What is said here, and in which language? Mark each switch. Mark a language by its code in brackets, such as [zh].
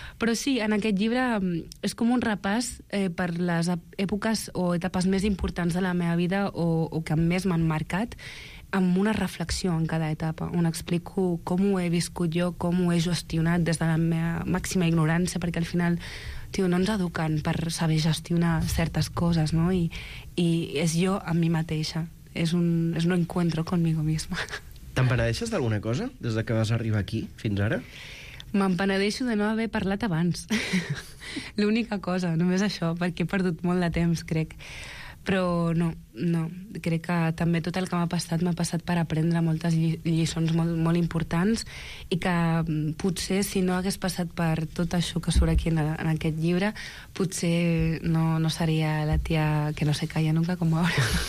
[ca] Però sí, en aquest llibre és com un repàs per les èpoques o etapes més importants de la meva vida o que més m'han marcat, amb una reflexió en cada etapa, on explico com ho he viscut jo, com ho he gestionat des de la meva màxima ignorància, perquè al final, tio, no ens eduquen per saber gestionar certes coses, no? I és jo amb mi mateixa. És [es] un encuentro conmigo misma. [ca] Te'n penedeixes d'alguna cosa des de que vas arribar aquí fins ara? Me'n penedeixo de no haver parlat abans. L'única cosa, només això, perquè he perdut molt de temps, crec. Però no. Crec que també tot el que m'ha passat per aprendre moltes lliçons molt, molt importants i que potser si no hagués passat per tot això que surt aquí en aquest llibre, potser no seria la tia que [es] no se calla nunca [ca] com ara.